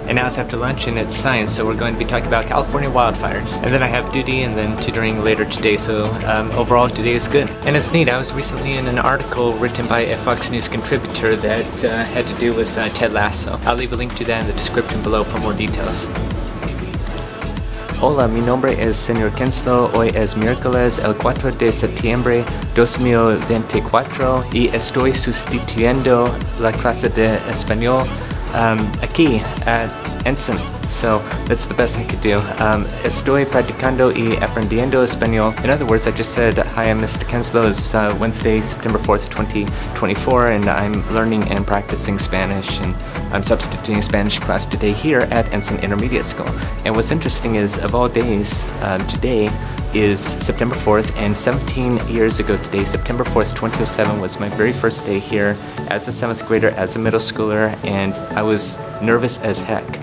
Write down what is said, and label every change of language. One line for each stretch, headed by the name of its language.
English: And now it's after lunch, and it's science, so we're going to be talking about California wildfires. And then I have duty, and then tutoring later today, so overall today is good. And it's neat, I was recently in an article written by a Fox News contributor that had to do with Ted Lasso. I'll leave a link to that in the description below for more details.
Spanish: Hola, mi nombre es Señor Kenslo. Hoy es miércoles el 4 de septiembre 2024 y estoy sustituyendo la clase de español aquí
English: at Ensign. So that's the best I could do.
Spanish: Estoy practicando y aprendiendo español.
English: In other words, I just said, hi, I'm Mr. Kenslow. It's Wednesday, September 4th, 2024, and I'm learning and practicing Spanish, and I'm substituting Spanish class today here at Ensign Intermediate School. And what's interesting is, of all days, today is September 4th, and 17 years ago today, September 4th, 2007, was my very first day here as a seventh grader, as a middle schooler, and I was nervous as heck.